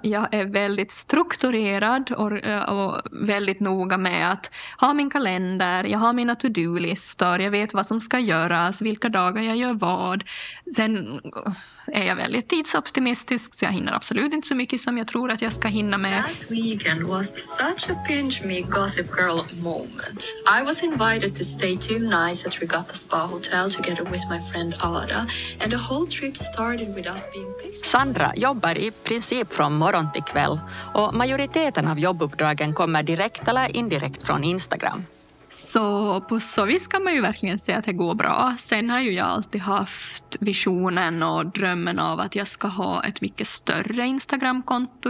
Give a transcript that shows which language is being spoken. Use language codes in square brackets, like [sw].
[sv] Jag är väldigt strukturerad och väldigt noga med att ha min kalender. Jag har mina to-do-listor. Jag vet vad som ska göras, vilka dagar jag gör vad. Sen är jag väldigt tidsoptimistisk så jag hinner absolut inte så mycket som jag tror att jag ska hinna med. [en] Last weekend was such a pinch me gossip girl moment. I was invited to stay 2 nights at Regatta Spa Hotel together with my friend Ada and the whole trip started with us being picked. [sv] Sandra jobbar i princip från morgon till kväll och majoriteten av jobbuppdragen kommer direkt eller indirekt från Instagram. Så på så vis kan man ju verkligen säga att det går bra. Sen har ju jag alltid haft visionen och drömmen av att jag ska ha ett mycket större Instagram-konto.